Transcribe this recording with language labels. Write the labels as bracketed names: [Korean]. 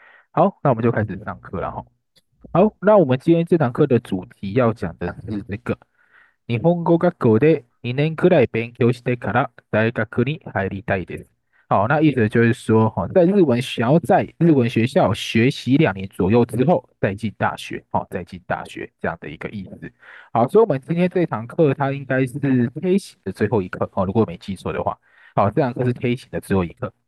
[Chinese] 好，那我们就开始上课了哈。好，那我们今天这堂课的主题要讲的是这个 [Japanese] 日本語学校で2年くらい勉強してから大学に入りたいです。 [Chinese] 好，那意思就是说哈，在日文想要在日文学校学习2年左右之后，再进大学，好，再进大学这样的一个意思。好，所以我们今天这堂课它应该是 T 型的最后一课，哦，如果没记错的话，好，这堂课是 T 型的最后一课。